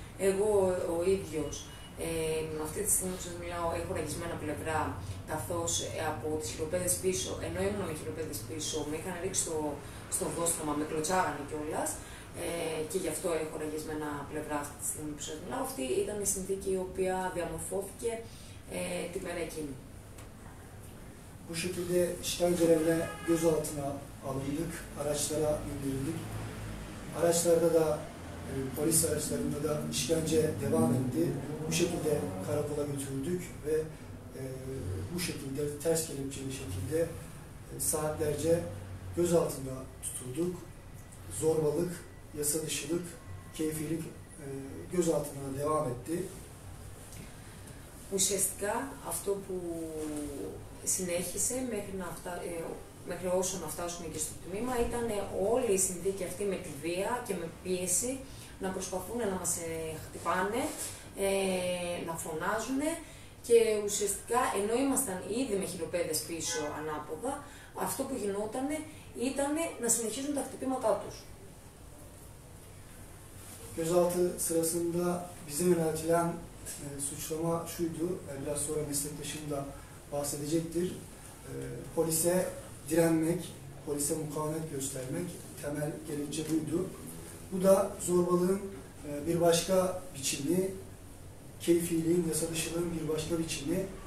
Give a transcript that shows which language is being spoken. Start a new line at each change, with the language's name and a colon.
Greek: Εγώ ο ίδιος, αυτή τη στιγμή που σας μιλάω, έχω ραγισμένα πλευρά, καθώς από τις χειροπέδες πίσω, ενώ ήμουν με χειροπέδες πίσω, με είχαν ρίξει στο δόστρωμα, με κλωτσάγανε κιόλας. Και γι' αυτό έχω ραγισμένα πλευρά αυτή τη στιγμή που σας μιλάω. Αυτή ήταν η συνθήκη η οποία διαμορφώθηκε τη μέρα εκείνη.
Turkish: Bu şekilde işkencelerle gözaltına alındık, araçlara indirildik. Araçlarda da, polis araçlarında da işkence devam etti. Bu şekilde karakola götürüldük ve bu şekilde ters kelepçeli şekilde saatlerce gözaltında tutulduk. Zorbalık, yasa dışılık, keyfilik gözaltına devam etti.
Greek: Ουσιαστικά αυτό που συνέχισε μέχρι, μέχρι όσο να φτάσουμε και στο τμήμα ήταν όλη η συνθήκη αυτή με τη βία και με πίεση να προσπαθούν να μας χτυπάνε, να φωνάζουν και ουσιαστικά ενώ ήμασταν ήδη με χειροπέδες πίσω ανάποδα, αυτό που γινόταν ήταν να συνεχίζουν τα χτυπήματά τους.
Turkish: Gözaltı sırasında bize yöneltilen suçlama şuydu, biraz sonra meslektaşım da bahsedecektir. Polise direnmek, polise mukavemet göstermek temel gerekçe buydu. Bu da zorbalığın bir başka biçimi, keyfiliğin, yasa dışılığın bir başka biçimi.